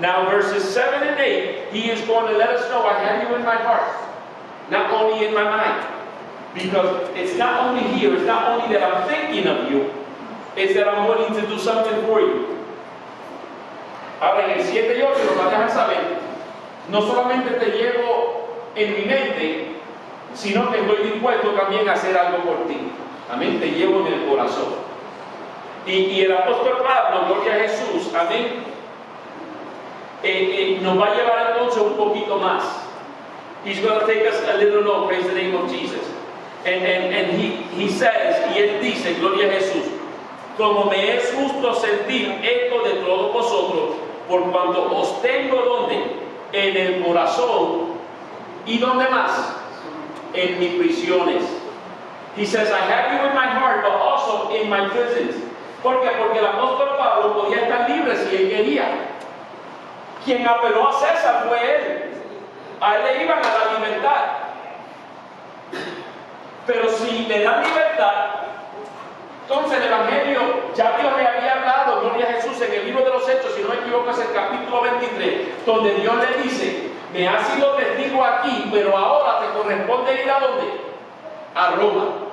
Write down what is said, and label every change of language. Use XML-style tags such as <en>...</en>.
<en>Now verses 7 and 8, He is going to let us know, I have you in my heart. Not only in my mind. Because it's not only here, it's not only that I'm thinking of you, it's that I'm willing to do something for you.</en> <es>Ahora en el 7 y 8 lo va a dejar saber, no solamente te llevo en mi mente, sino que estoy dispuesto también a hacer algo por ti. Amén. Te llevo en el corazón. Y el apóstol Pablo, gloria a Jesús, amén, nos va a llevar entonces un poquito más.</es> <en>He's going to take us a little longer, praise the name of Jesus. And he says,</en> <es>y él dice, gloria a Jesús, como me es justo sentir esto de todos vosotros, por cuanto os tengo donde, en el corazón, y donde más, en mis prisiones.</es> <en>He says, I have you in my heart, but also in my prisons.</en> <es>¿Por qué? Porque el apóstol Pablo podía estar libre si él quería. Quien apeló a César fue él. A él le iban a dar libertad. Pero si le dan libertad, entonces el Evangelio, ya Dios le había hablado, gloria a Jesús, en el libro de los Hechos, si no me equivoco, es el capítulo 23, donde Dios le dice, me has sido testigo aquí, pero ahora te corresponde ir a dónde? A Roma.</es>